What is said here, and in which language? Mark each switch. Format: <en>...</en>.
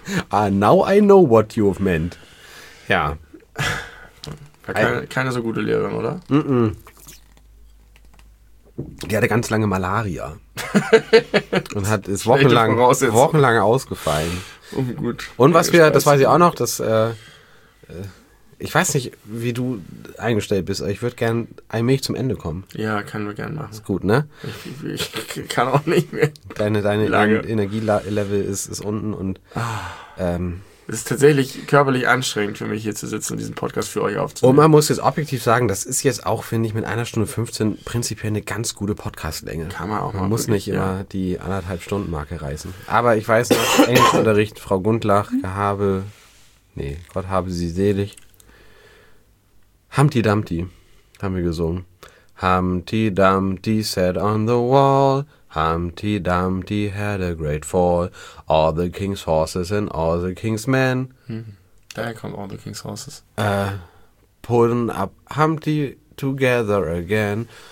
<en>Now I know what you have meant.</en> <de>Ja. Keine so gute Lehrerin, oder? Mm-mm. Die hatte ganz lange Malaria. Und hat ist wochenlang ausgefallen. Oh, gut. Und was wir, das weiß ich auch noch, dass ich weiß nicht, wie du eingestellt bist, aber ich würde gern allmählich zum Ende kommen. Ja, können wir gerne machen. Ist gut, ne? Ich kann auch nicht mehr. Deine Energielevel ist unten und es ist tatsächlich körperlich anstrengend für mich, hier zu sitzen und diesen Podcast für euch aufzunehmen. Und man muss jetzt objektiv sagen, das ist jetzt auch, finde ich, mit 1 Stunde 15 prinzipiell eine ganz gute Podcastlänge. Kann man auch machen. Man muss wirklich, nicht immer die 1,5-Stunden-Marke reißen. Aber ich weiß noch, Englischunterricht, Frau Gundlach, Gott habe sie selig. Humpty Dumpty haben wir gesungen.</de> <en>Humpty Dumpty sat on the wall. Humpty Dumpty had a great fall. All the king's horses and all the king's men. Mm-hmm.</en> <de>Daher kommt</de> <en>all the king's horses. Pulling up Humpty together again.</en>